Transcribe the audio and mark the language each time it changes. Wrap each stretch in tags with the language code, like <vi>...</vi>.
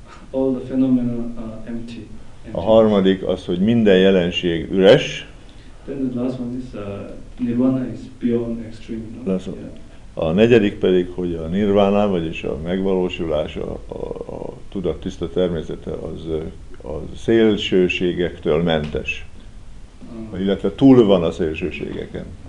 <en>All the phenomena are empty.</en> <hu>A harmadik az, hogy minden jelenség üres.</hu> <en>Then the last one is nirvana is beyond extreme. No? Yeah.</en> <hu>A negyedik pedig, hogy a nirvana, vagyis a megvalósulás, a tudat tiszta természete az a szélsőségektől mentes. Illetve túl van a szélsőségeken.</hu>